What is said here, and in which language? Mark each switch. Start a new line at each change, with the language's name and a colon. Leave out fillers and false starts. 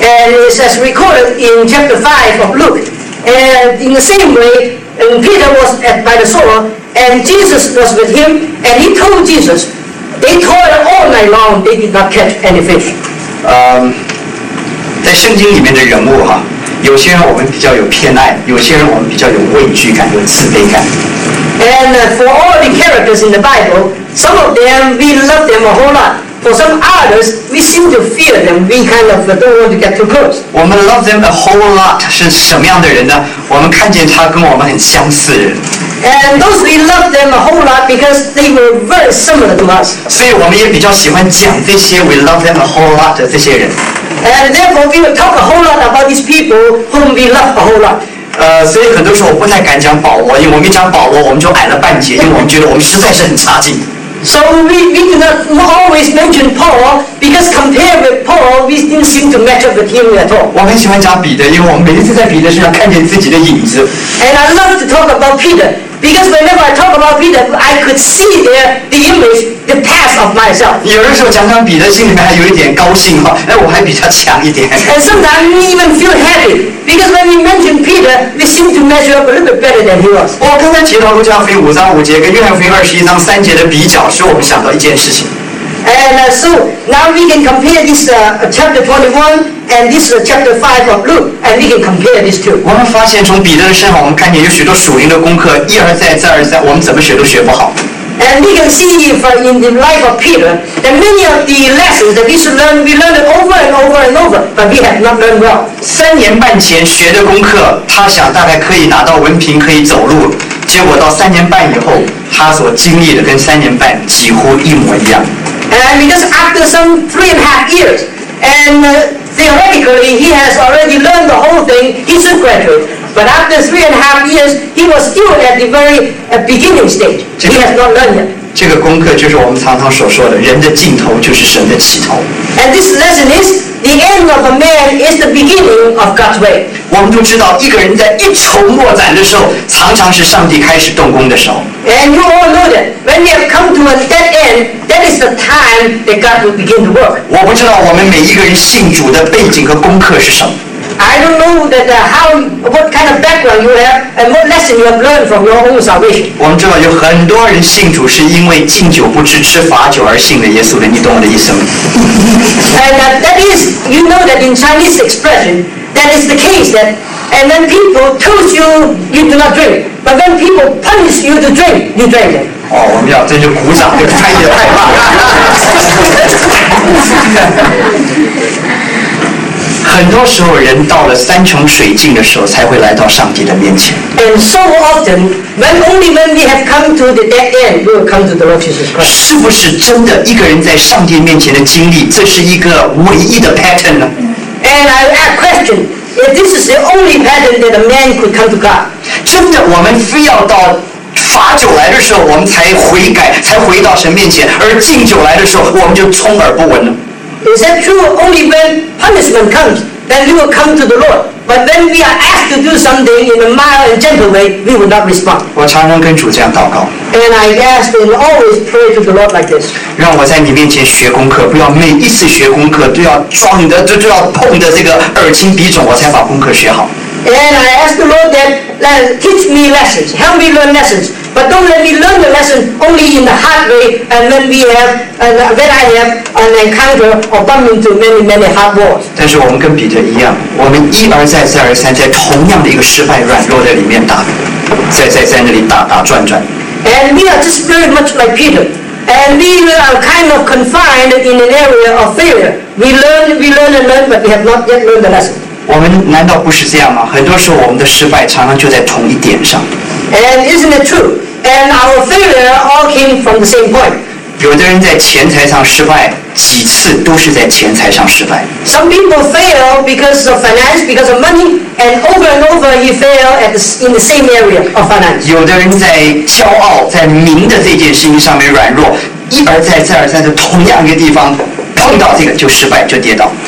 English: And it's as recorded in chapter 5 of Luke. And in the same way, Peter was at by the shore, and Jesus was with him, and he told Jesus, "They toiled all night long, they did not catch any fish."
Chinese: 在圣经里面的人物哈。有些人我们比较有偏爱，有些人我们比较有畏惧感，有慈悲感。
English: And for all the characters in the Bible, some of them we love them a whole lot. For some others, we seem to fear them. We kind of don't want to get too close.
Chinese: 我们
English: love them a whole lot
Chinese: 是什么样的人呢？我们看见他跟我们很相似。
English: And those we love them a whole lot because they were very similar to us.
Chinese: 所以我们也比较喜欢讲这些
English: we love them a whole lot
Chinese: 的这些人。
English: And therefore, we will talk a whole lot about these people whom we love a whole lot.
Chinese: 所以很多时候我不太敢讲保罗，因为我们一讲保罗，我们就矮了半截，因为我们觉得我们实在是很差劲。
English: So we do not always mention Paul because compared with Paul, we didn't seem to match up with him at all.
Chinese: 我很喜欢讲彼得，因为我们每一次在彼得身上看见自己的影子。
English: And I love to talk about Peter because whenever I talk about Peter, I could see there the image. The past of myself.
Chinese: 有的时候讲讲彼得，心里面还有一点高兴哈，我还比他强一点。
English: And sometimes we even feel happy because when we mention Peter, we seem to measure up a little bit better than he was.
Chinese: 我刚才提到路加福音五章五节跟约翰福音二十一章三节的比较，使我们想到一件事情。
English: And so now we can compare this chapter 21 and this chapter 5 of Luke, and we can compare these two.
Chinese: 我们发现从彼得的身上，我们看见有许多属灵的功课，一而再，再而三，我们怎么学都学不好。
English: And we can see if, in the life of Peter that many of the lessons that we should learn, we learned it over and over and over, but we have not learned well.
Chinese: 三年半前学的功课，他想大概可以拿到文凭，可以走路。结果到三年半以后，他所经历的跟三年半几乎一模一样。
English: And because after some 3.5 years, and theoretically he has already learned the whole thing, he's a graduate. But after 3.5 years, he was still at the very beginning stage. He has not learned yet.
Chinese: 这个功课就是我们常常所说的，人的尽头就是神的起头。
English: And this lesson is the end of a man is the beginning of God's way.
Chinese: 我们都知道，一个人在一筹莫展的时候，常常是上帝开始动工的时候。
English: And you all know that when we have come to a dead end, that is the time that God will begin to work.
Chinese: 我不知道我们每一个人信主的背景和功课是什么。
English: I don't know that what kind of background you have and what lesson you have learned from your own salvation.
Chinese: 我们知道有很多人信主是因为敬酒不吃吃罚酒而信的耶稣的，你懂我的意思吗？
English: And that is, you know that in Chinese expression, that is the case that, and when people told you you do not drink, but when people punish you to drink, you drink it.
Chinese: 哦，我们要这就鼓掌，这翻译太棒了。很多时候人到了山穷水尽的时候才会来到上帝的面前。
English: And so often, when only when we have come to the dead end, we will come to the Lord Jesus Christ.
Chinese: 是不是真的一个人在上帝面前的经历，这是一个唯一的 pattern 呢？
English: And I ask question, if this is the only pattern that a man could come to God.
Chinese: 真的我们非要到罚酒来的时候我们才悔改，才回到神面前，而敬酒来的时候我们就充耳不闻了。
English: Is that true? Only when punishment comes, then we will come to the Lord. But when we are asked to do something in a mild and gentle way, we will not respond.
Chinese: 我常常跟主这样祷告。
English: And I ask and always pray to the Lord like this.
Chinese: 让我在你面前学功课，不要每一次学功课都要撞的，都要碰的这个耳青鼻肿，我才把功课学好。
English: And I ask the Lord that teach me lessons, help me learn lessons, but don't let me learn the lesson only in the hard way. And when we have, and when I have an encounter or bump into many, many hard walls.
Chinese: 但是我们跟彼得一样，我们一而再，再而三，在同样的一个失败、软弱的里面打，在那里打打转转。
English: And we are just very much like Peter, and we are kind of confined in an area of failure. We learn and learn, but we have not yet learned the lesson.
Chinese: 我们难道不是这样吗？很多时候我们的失败常常就在同一点上。
English: And isn't it true? And our failure all came from the same point.
Chinese: 有的人在钱财上失败，几次都是在钱财上失败。
English: Some people fail because of finance, because of money, and over and over he fail at in the same area of finance.
Chinese: 有的人在骄傲，在名的这件事情上面软弱，一而再，再而三的同样一个地方，砰碰到这个就失败，就跌倒。